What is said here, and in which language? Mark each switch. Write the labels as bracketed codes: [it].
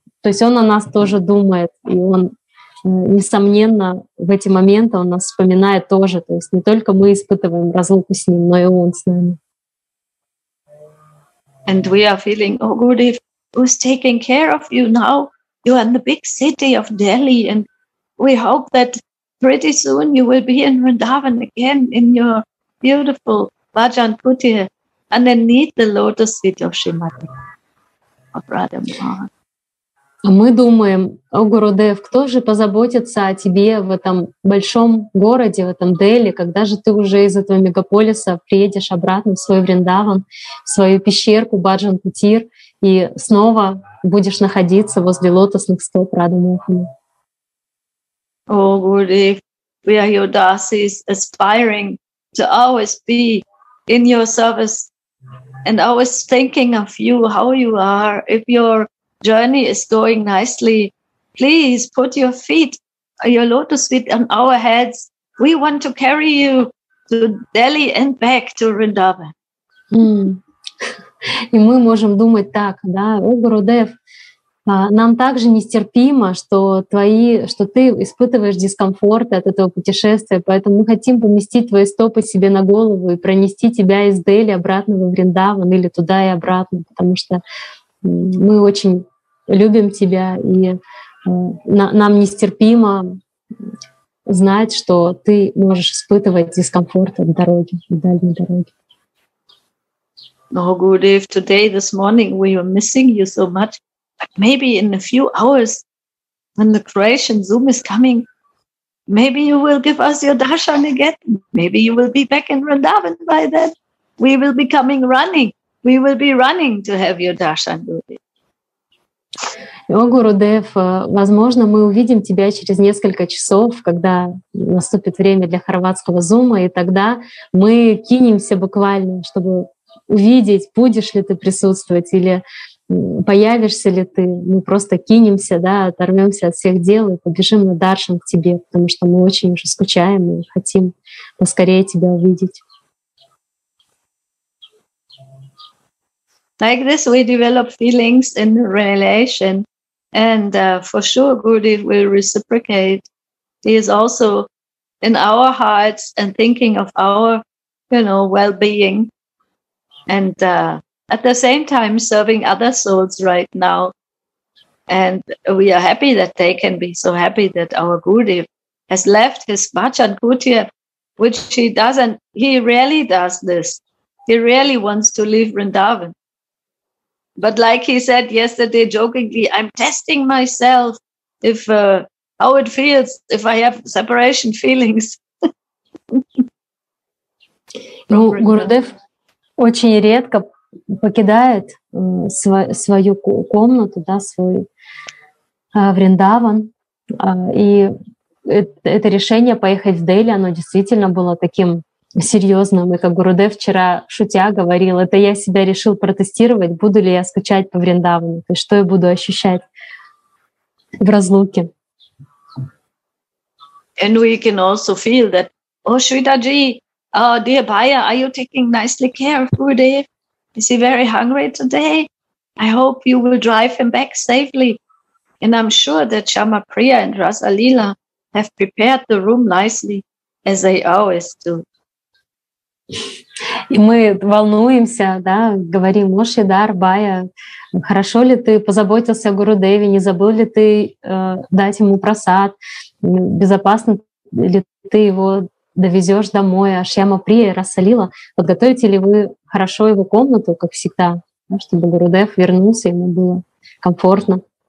[ru] То есть он о нас тоже думает, и он... Несомненно, в эти моменты он нас вспоминает тоже. То есть не только мы испытываем разлуку с ним, но и он с нами. [en] And we are feeling, oh, Gurudev, who's taking care of you now? You are in the big city of Delhi, and we hope that pretty soon you will be in Vrindavan again in your beautiful Bhajan Kutir and then need the lotus feet of Shrimati, of Radha Mohan. [ru] А мы думаем, о, Гурудев, кто же позаботится о тебе в этом большом городе, в этом Дели, когда же ты уже из этого мегаполиса приедешь обратно в свой Вриндаван, в свою пещерку Баджан Кутир и снова будешь находиться возле лотосных стоп Радхи Мохана. [en] О, Гурудев, we are your dasis, aspiring to always be in your service and always thinking of you, how you are, if you're journey is going nicely. Please put your feet, your lotus feet on our heads. We want to carry you to Delhi and back to Vrindavan. [ru] И мы можем думать так, да, о, Гурудев, нам также нестерпимо, что ты испытываешь дискомфорт от этого путешествия, поэтому мы хотим поместить твои стопы себе на голову и пронести тебя из Дели обратно во Вриндаван или туда и обратно, потому что мы очень любим тебя, и нам нестерпимо знать, что ты можешь испытывать дискомфорт от дороги, от дальней дороги. [en] Oh, Gurudev, today, this morning, we are missing you so much. But maybe in a few hours, when the Croatian Zoom is coming, Maybe you will give us your darshan again. Maybe you will be back in Vrindavan by then. We will be coming running. We will be running to have your darshan, Guru. [ru] О, Гурудев, возможно, мы увидим тебя через несколько часов, когда наступит время для хорватского зума, и тогда мы кинемся буквально, чтобы увидеть, будешь ли ты присутствовать или появишься ли ты. Мы просто кинемся, да, оторвемся от всех дел и побежим на даршан к тебе, потому что мы очень уже скучаем и хотим поскорее тебя увидеть. [en] Like this, we develop feelings in the relation, and for sure, Gurudev will reciprocate. He is also in our hearts and thinking of our, you know, well-being, and at the same time serving other souls right now. And we are happy that they can be so happy that our Gurudev has left his bhajan kutya, which he doesn't. He really does this. He really wants to leave Vrindavan. But like he said yesterday jokingly, I'm testing myself if how it feels if I have separation feelings. [ru] Ну, Гурудев очень редко покидает свою комнату, да, свой Вриндаван. И это решение поехать в Дели, оно действительно было таким серьезно, мы, как Гурудев вчера шутя говорил, это я себя решил протестировать, буду ли я скучать по Вриндавану, то есть что я буду ощущать в разлуке. [en] And we can also feel that, oh, Shridaji, oh, dear Bhaya, are you taking nicely care of Gurudev? Is he very hungry today? I hope you will drive him back safely. And I'm sure that Shama Priya and Rasa Lila have prepared the room nicely, as they always do. [ru] И мы волнуемся, да, говорим, о, Шридар, Бая, хорошо ли ты позаботился о Гурудеве, не забыл ли ты дать ему просад, безопасно ли ты его довезешь домой, а Шьяма Прия рассолила, подготовите ли вы хорошо его комнату, как всегда, да, чтобы Гурудев вернулся, ему было комфортно.